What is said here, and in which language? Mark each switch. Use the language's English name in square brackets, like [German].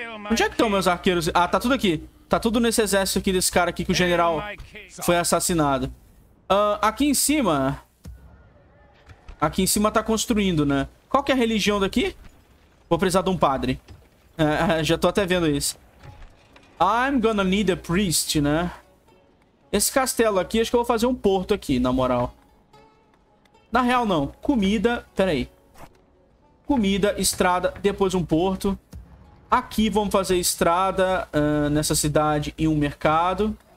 [Portuguese] Onde é que estão meus arqueiros? Ah, tá tudo aqui. Tá tudo nesse exército aqui desse cara aqui que o general foi assassinado. Aqui em cima... Aqui em cima tá construindo, né? Qual que é a religião daqui? Vou precisar de um padre. Já tô até vendo isso. [English] I'm gonna need a priest, né? [Portuguese] Esse castelo aqui, acho que eu vou fazer um porto aqui, na moral. Na real, não. Comida... Pera aí. Comida, estrada, depois um porto. Aqui vamos fazer estrada nessa cidade e um mercado.